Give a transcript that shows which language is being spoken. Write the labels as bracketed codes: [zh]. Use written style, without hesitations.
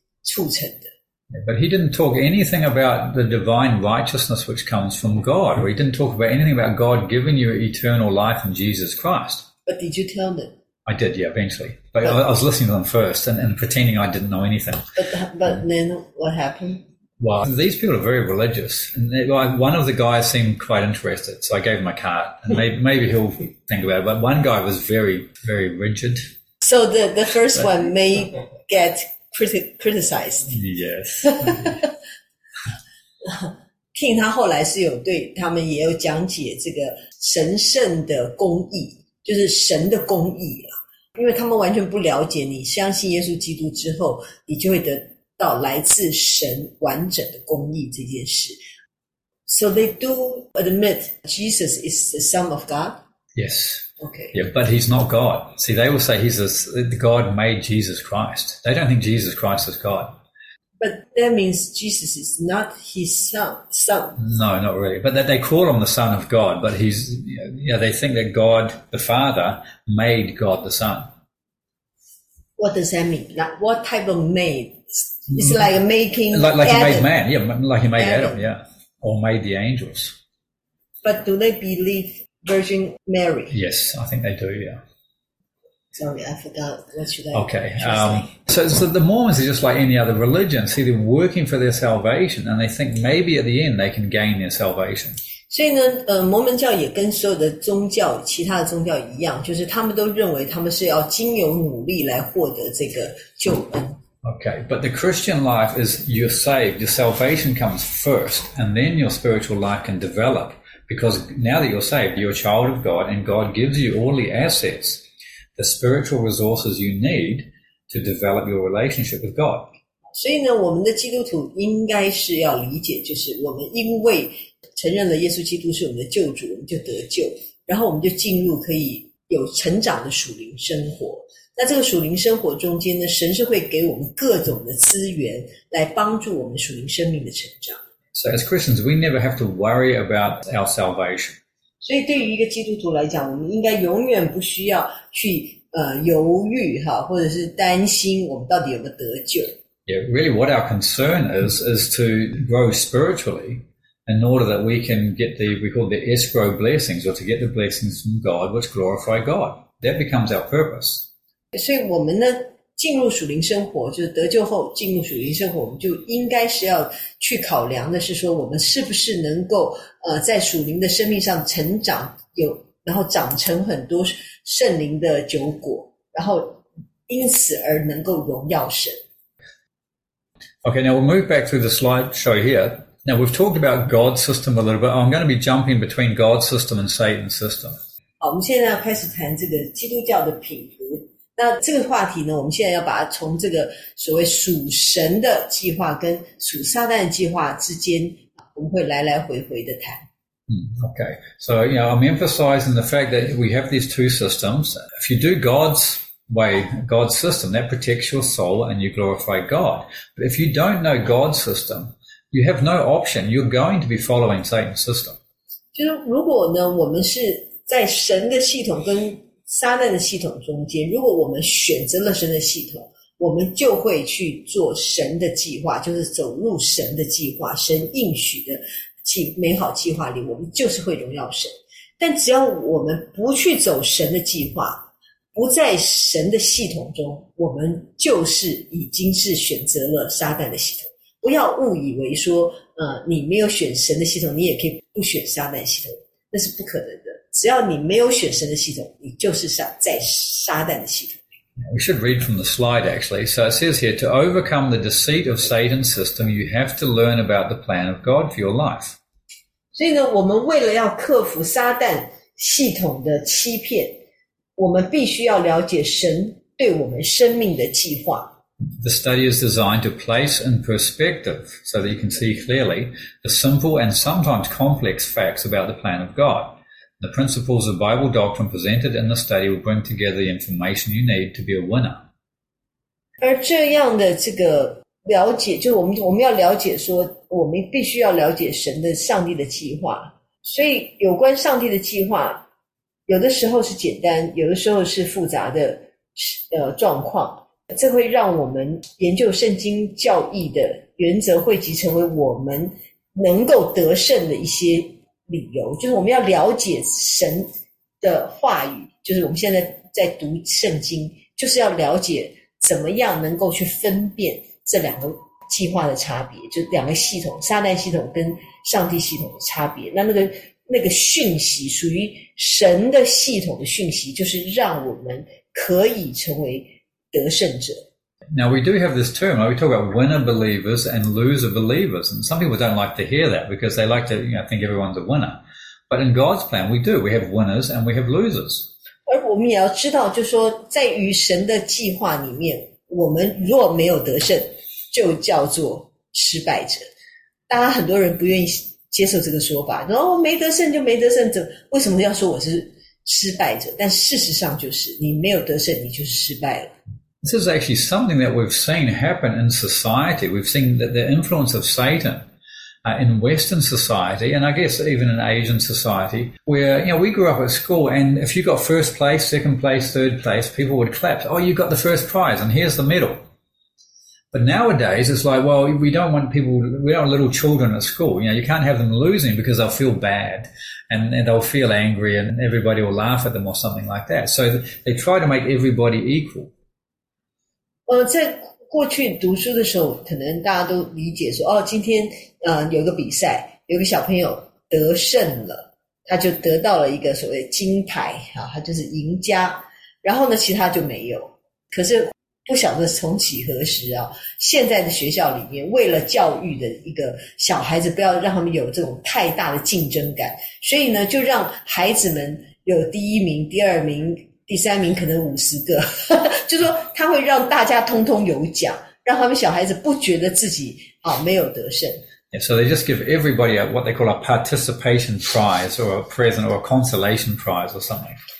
[zh] 促成的。 [en] But he didn't talk anything about the divine righteousness which comes from God, or he didn't talk about anything about God giving you eternal life in Jesus Christ. But did you tell them? I did, yeah, eventually. But I was listening to them first and pretending I didn't know anything. But then what happened? Well, these people are very religious. And one of the guys seemed quite interested, so I gave him a card. And maybe he'll think about it. But one guy was very, very rigid. So the first one may get criticized. Yes. [zh] 听他后来是有对他们也有讲解这个神圣的公义，就是神的公义啦，因为他们完全不了解你相信耶稣基督之后你就会得到来自神完整的公义这件事。 [en] So they do admit Jesus is the Son of God? Yes. Okay. Yeah, but he's not God. See, they will say he's the God made Jesus Christ. They don't think Jesus Christ is God. But that means Jesus is not his son. No, not really. But they call him the Son of God, but he's, you know, they think that God the Father made God the Son. What does that mean? Like, what type of made? It's like making like Adam. He made man, yeah, like he made Adam, yeah, or made the angels. But do they believe Virgin Mary? Yes, I think they do, yeah. Sorry, I forgot what you said. Okay, so the Mormons are just like any other religion. See, they're working for their salvation, and they think maybe at the end they can gain their salvation. [zh] 所以呢，摩门教也跟所有的宗教，其他的宗教一样，就是他们都认为他们是要经由努力来获得这个救恩。 [en] Okay, but the Christian life is you're saved, your salvation comes first, and then your spiritual life can develop. Because now that you're saved, you're a child of God, and God gives you all the assets, the spiritual resources you need to develop your relationship with God. [zh] 所以呢，我们的基督徒应该是要理解，就是我们因为承认了耶稣基督是我们的救主，我们就得救，然后我们就进入可以有成长的属灵生活。那这个属灵生活中间呢，神是会给我们各种的资源来帮助我们属灵生命的成长。 [en] So as Christians, we never have to worry about our salvation. [zh] 所以对于一个基督徒来讲，我们应该永远不需要去犹豫哈，或者是担心我们到底有没有得救。 [en] Yeah, really, what our concern is to grow spiritually in order that we can get we call the escrow blessings, or to get the blessings from God, which glorify God. That becomes our purpose. [zh] 所以我们呢，进入属灵生活，就是得救后进入属灵生活，我们就应该是要去考量的是说，我们是不是能够在属灵的生命上成长，有然后长成很多圣灵的酒果，然后因此而能够荣耀神。 [en] Okay, now we'll move back through the slideshow here. Now we've talked about God's system a little bit. I'm going to be jumping between God's system and Satan's system. [zh] 好，我们现在要开始谈这个基督教的品格。那这个话题呢，我们现在要把它从这个所谓属神的计划跟属撒旦计划之间，我们会来来回回的谈。 [en] Okay, so you know, I'm emphasizing the fact that we have these two systems. If you do God's way, God's system, that protects your soul and you glorify God. But if you don't know God's system, you have no option. You're going to be following Satan's system. [zh] 就是如果呢，我们是在神的系统跟撒旦的系统中间，如果我们选择了神的系统，我们就会去做神的计划，就是走入神的计划，神应许的美好计划里，我们就是会荣耀神。但只要我们不去走神的计划，不在神的系统中，我们就是已经是选择了撒旦的系统。不要误以为说你没有选神的系统，你也可以不选撒旦系统，那是不可能的。只要你没有选神的系统，你就是在撒旦的系统。 [en] We should read from the slide, actually. So it says here, to overcome the deceit of Satan's system, you have to learn about the plan of God for your life. [zh] 所以呢，我们为了要克服撒旦系统的欺骗，我们必须要了解神对我们生命的计划。 [en] The study is designed to place in perspective so that you can see clearly the simple and sometimes complex facts about the plan of God. The principles of Bible doctrine presented in the study will bring together the information you need to be a winner. [zh] 而这样的这个了解，就我们要了解说，我们必须要了解神的上帝的计划。所以有关上帝的计划，有的时候是简单，有的时候是复杂的状况。这会让我们研究圣经教义的原则汇集成为我们能够得胜的一些理由，就是我们要了解神的话语，就是我们现在在读圣经，就是要了解怎么样能够去分辨这两个计划的差别，就两个系统，撒旦系统跟上帝系统的差别。那个讯息，属于神的系统的讯息，就是让我们可以成为得胜者。 [en] Now we do have this term, we talk about winner believers and loser believers, and some people don't like to hear that because they like to, you know, think everyone's a winner. But in God's plan, we do. We have winners and we have losers. [zh] 而我们也要知道，就是说，在于神的计划里面，我们如果没有得胜，就叫做失败者。大家很多人不愿意接受这个说法，然后没得胜就没得胜，怎为什么要说我是失败者？但事实上就是，你没有得胜，你就是失败了。 [en] This is actually something that we've seen happen in society. We've seen that the influence of Satan, in Western society, and I guess even in Asian society, where, you know, we grew up at school, and if you got first place, second place, third place, people would clap, oh, you got the first prize, and here's the medal. But nowadays, it's like, well, we don't want people, we don't want little children at school. You know, you can't have them losing because they'll feel bad and they'll feel angry and everybody will laugh at them or something like that. So they try to make everybody equal. [zh] 在过去读书的时候，可能大家都理解说，哦，今天有个比赛，有个小朋友得胜了，他就得到了一个所谓金牌啊，他就是赢家。然后呢，其他就没有。可是不晓得从几何时啊，现在的学校里面，为了教育的一个小孩子，不要让他们有这种太大的竞争感，所以呢，就让孩子们有第一名、第二名。第三名可能五十个，就说他会让大家通通有奖，让他们小孩子不觉得自己没有得胜。 [en] Yeah, so they just give everybody a, what they call a participation prize or a present or a consolation prize or something.